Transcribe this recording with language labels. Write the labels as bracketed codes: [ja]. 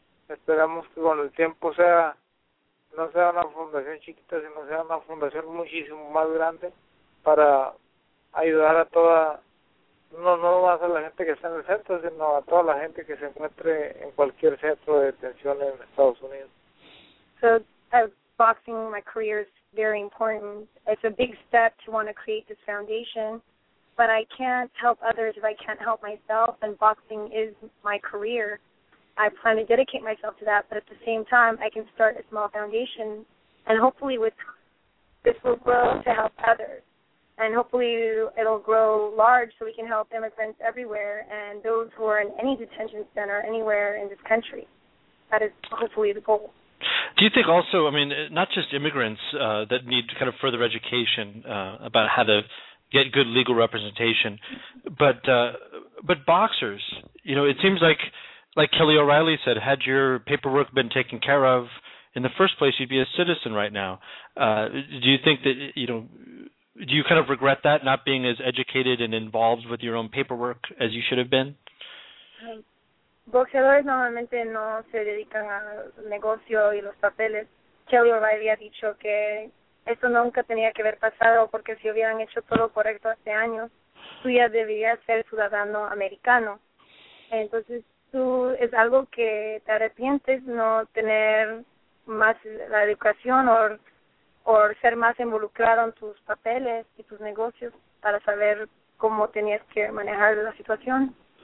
[es] Esperamos que con el tiempo no sea una fundación chiquita, sino sea una fundación muchísimo más grande para ayudar a toda, no más a la gente que está en el centro, sino a toda la gente que se encuentre en cualquier centro de detención en Estados Unidos. [en] So, boxing, my career is very important. It's a big step to want to create this foundation, but I can't help others if I can't help myself, and boxing is my career. I plan to dedicate myself to that, but at the same time, I can start a small foundation, and hopefully with this will grow to help others. And hopefully it'll grow large so we can help immigrants everywhere and those who are in any detention center anywhere in this country. That is hopefully the goal. Do you think also, I mean, not just immigrants that need kind of further education about how to get good legal representation, but boxers, you know, it seems like Kelly O'Reilly said, had your paperwork been taken care of in the first place, you'd be a citizen right now. Do you think that, you know, do you kind of regret that, not being as educated and involved with your own paperwork as you should have been? [es] Boxeadores normalmente no se dedican al negocio y los papeles. Kelly O'Reilly ha dicho que esto nunca tenía que haber pasado porque si hubieran hecho todo correcto hace años, tú ya deberías ser ciudadano americano. Entonces, tú es algo que te arrepientes no tener más la educación o ser más involucrado en tus papeles y tus negocios para saber cómo tenías que manejar la situación.